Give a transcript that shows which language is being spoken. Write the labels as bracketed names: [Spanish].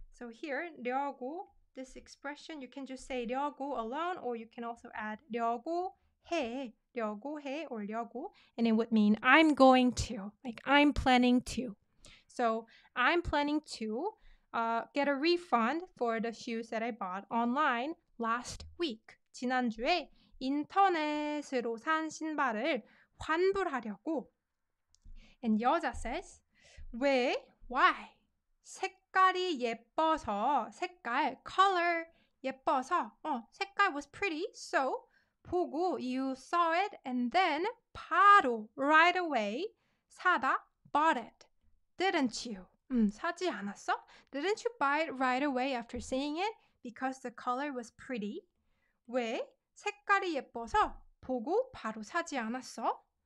[English] So here 려고, this expression you can just say 려고 alone, or you can also add 려고 해. [Korean] 려고 해 [English] or 려고, and it would mean I'm going to, like I'm planning to. So I'm planning to get a refund for the shoes that I bought online last week. [Korean] 지난주에 인터넷으로 산 신발을 환불하려고. [English] And 여자 says, 왜? Why? [Korean] 색깔이 예뻐서, [English] 색깔, color 예뻐서, 색깔 was pretty, so 보고, you saw it, and then 바로, right away, 사다, bought it. Didn't you? [Korean] 사지 않았어? [English] Didn't you buy it right away after seeing it? Because the color was pretty. 왜? [Korean] 색깔이 예뻐서 보고 바로 사지 않았어?